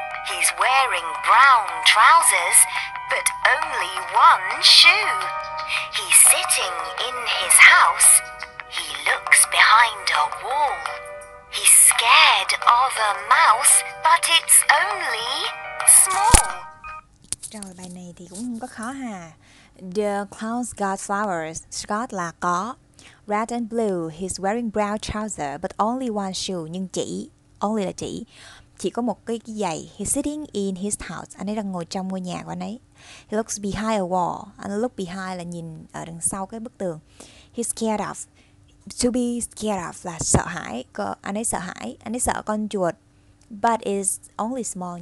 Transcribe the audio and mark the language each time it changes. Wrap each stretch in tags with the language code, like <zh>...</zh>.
<en>He's wearing brown trousers, but only one shoe. He's sitting in his house. He looks behind a wall. He's scared of a mouse, but it's only small.</en> <vi>Rồi, bài này thì cũng không có khó ha.</vi> <en>The clown's got flowers. Scott là có. Red and blue. He's wearing brown trousers, but only one shoe.</en> <vi>Nhưng chỉ. Only là chỉ. Chỉ có một cái giày.</vi> <en>He's sitting in his house.</en> <vi>Anh ấy đang ngồi trong ngôi nhà của anh ấy.</vi> <en>He looks behind a wall.</en> <vi>Anh look behind là nhìn ở đằng sau cái bức tường.</vi> <en>He's scared of. To be scared of</en> <vi>là sợ hãi. Anh ấy sợ hãi. Anh ấy sợ con chuột.</vi> <en>But it's only small.</en>